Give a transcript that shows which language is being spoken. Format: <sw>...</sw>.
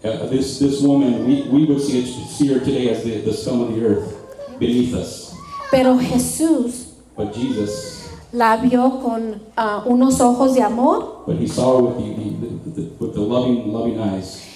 <en>This woman we would see her today as the scum of the earth beneath us.</en> <es>Pero Jesús,</es> <en>but Jesus,</en> <es>la vio con unos ojos de amor.</es> <en>But he saw her with the loving eyes.</en>